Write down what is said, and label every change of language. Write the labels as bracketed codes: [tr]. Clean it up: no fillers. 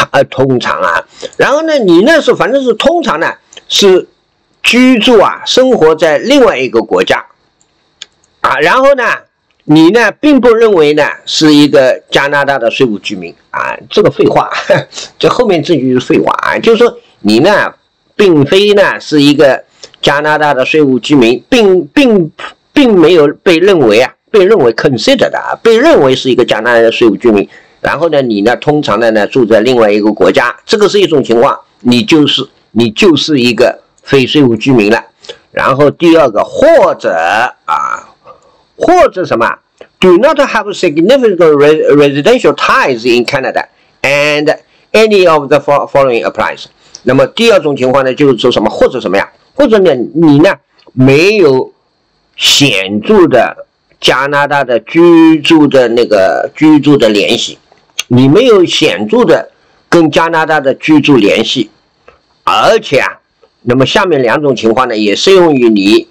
[zh] 通常啊，然后呢，你那是反正是通常呢是居住啊，生活在另外一个国家啊，然后呢，你呢并不认为呢是一个加拿大的税务居民啊，这个废话，这后面这句是废话啊，就是说你呢并非呢是一个加拿大的税务居民，并没有被认为啊，被认为 considered 啊，被认为是一个加拿大的税务居民。然后呢，你呢，通常呢，住在另外一个国家，这个是一种情况，你就是一个非税务居民了。然后第二个，或者什么 [en] ，do not have significant residential ties in Canada and any of the following applies。 [zh] 那么第二种情况呢，就是说什么，或者什么呀，或者呢，你呢没有显著的加拿大的居住的那个居住的联系。你没有显著的跟加拿大的居住联系，而且啊，那么下面两种情况呢也适用于你。